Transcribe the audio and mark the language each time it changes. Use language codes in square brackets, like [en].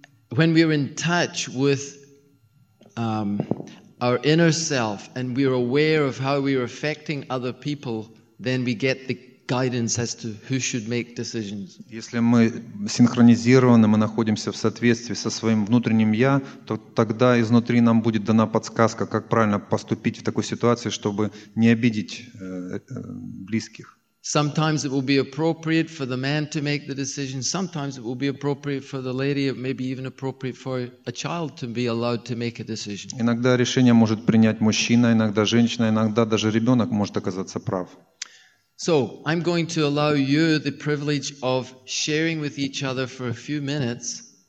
[en] When we're in touch with our inner self and we're aware of how we're affecting other people, then we get the guidance as to who should make decisions. [ru] Если мы синхронизированы, мы находимся в соответствии со своим внутренним я, то тогда изнутри нам будет дана подсказка, как правильно поступить в такой ситуации, чтобы не обидеть близких. [en] Sometimes it will be appropriate for the man to make the decision. Sometimes it will be appropriate for the lady, maybe even appropriate for a child to be allowed to make a decision. [ru] Иногда решение может принять мужчина, иногда женщина, иногда даже ребенок может оказаться прав. [en] So I'm going to allow you the privilege of sharing with each other for a few minutes.